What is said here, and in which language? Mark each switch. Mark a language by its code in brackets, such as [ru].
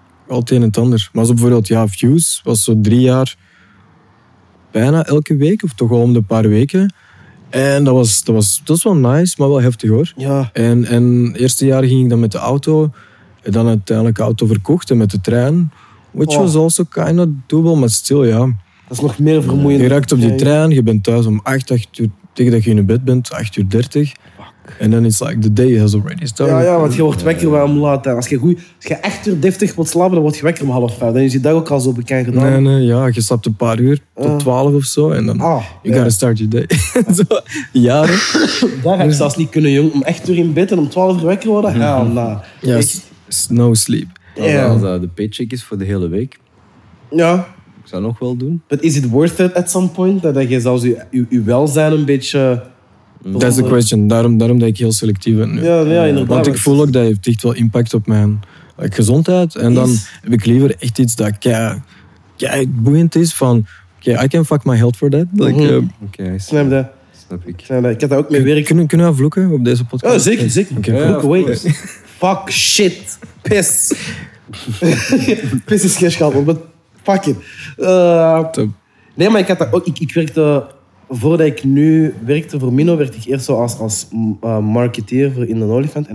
[nl] Al het een en het ander. Maar zo bijvoorbeeld, ja, Fuse was zo 3 jaar bijna elke week, of toch al om de paar weken. En dat was wel nice, maar wel heftig hoor. Ja. En het eerste jaar ging ik dan met de auto. En dan uiteindelijk auto verkocht en met de trein. [en] Which was also kind of doable, [nl] maar still, ja. Dat is nog meer vermoeiend. Je raakt op die trein, je bent thuis om 8 uur, tegen dat je in bed bent, 8:30. En dan is [en] like, the day has already started. [nl] Ja, ja, want je wordt wekker bij om laat. Als je echt uur deftig wilt slapen, dan word je wekker om 4:30. Dan is je dag ook al zo bekend gedaan. Nee, nee, ja, je slaapt een paar uur, tot 12 of zo. En dan, [en] you gotta start your day. [nl] Zo, jaren. Daar heb je zelfs niet kunnen, jong. Om 8 uur in bed en om 12 uur wekker worden? [en] Ja, no sleep. [nl] Als dat de paycheck is voor de hele week. Ja. Ik zou nog wel doen. [en] But is it worth it at some point? [nl] Dat je zelfs je welzijn een beetje... [en] That's the question. [nl] Daarom dat ik heel selectief ben nu. Ja, ja, inderdaad. Want ik voel ook dat het echt wel impact op mijn gezondheid. En dan heb ik liever echt iets dat kei boeiend is. Van, [en] I can fuck my health for that. [nl] Snap dat. Snap ik. Ik heb dat ook mee werk. Kunnen we vloeken op deze podcast? Oh, zeker, zeker. Okay, vloeken, wait. Fuck, shit, piss. Piss is geen schaal, [en] but fuck it. [nl] Top. Nee, maar ik had dat ook... Ik werkte... Voordat ik nu werkte voor Mino, werd ik eerst zo als marketeer voor In The Olifant.